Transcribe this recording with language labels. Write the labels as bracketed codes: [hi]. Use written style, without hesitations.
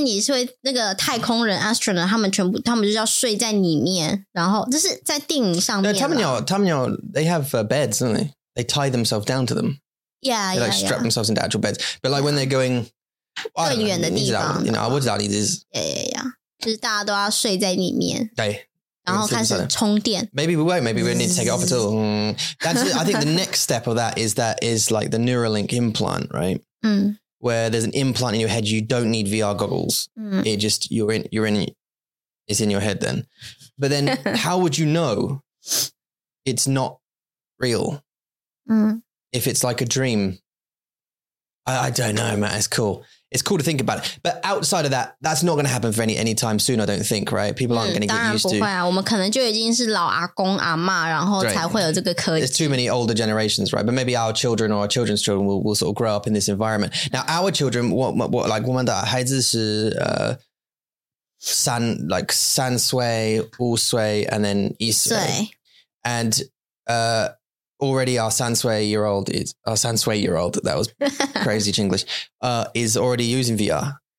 [zh] 我也不知道那中文怎么说耶,我不知道那个中文是什么。不知道。但是就是你是会那个太空人, astronaut, 他们全部就要睡在里面,然后这是在电影上面。他们有, [en] they have beds, don't they? They tie themselves down to them. Yeah, they like strap themselves into actual beds. But like when they're going, I don't know, [zh] 更远的地方, [en] you know, what does that need is? Yeah. [zh] 就是大家都要睡在里面。对。然后开始充电. [en] Maybe we won't. Maybe we don't need to take it off at all. That's it. I think the next step of that is like the Neuralink implant, right? Where there's an implant in your head. You don't need VR goggles. It just, you're in, it's in your head then. But then how would you know it's not real. Mm. If it's like a dream, I don't know, Matt. It's cool. It's cool to think about it. But outside of that, that's not going to happen for any time soon, I don't think, right? People aren't going to get used to it. [zh] 我们可能就已经是老阿公阿嬷，然后才会有这个科技。 [en] There's too many older generations, right? But maybe our children or our children's children will sort of grow up in this environment. Now, our children, what like, [zh] 我们的孩子是 [en] san, like, [zh] 三岁、五岁, [en] and then [zh] 一岁. [en] And already our [zh] 三岁- [en] year-old is, our 三岁-year-old, that was crazy Chinglish, is already using VR.